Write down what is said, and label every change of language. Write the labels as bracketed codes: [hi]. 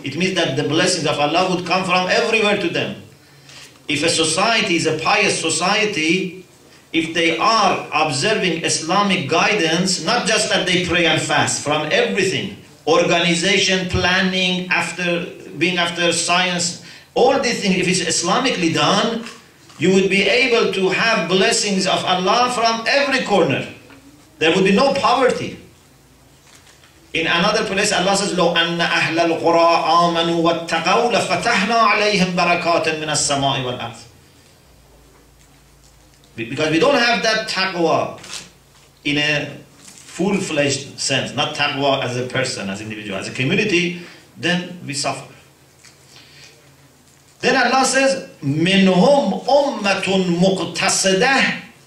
[en] It means that the blessings of Allah would come from everywhere to them. If a society is a pious society, if they are observing Islamic guidance, not just that they pray and fast, from everything, organization, planning, after being after science, all these things, if it's Islamically done, you would be able to have blessings of Allah from every corner. There would be no poverty. In another place, Allah says, [ar] لو أن أهل القرى آمنوا واتقوا لفتحنا عليهم بركات من السماء والأرض. [en] Because we don't have that taqwa in a full-fledged sense, not taqwa as a person, as individual, as a community, then we suffer. Then Allah says, [ar] مِنْهُمْ أُمَّةٌ مُقْتَصِدَةٌ.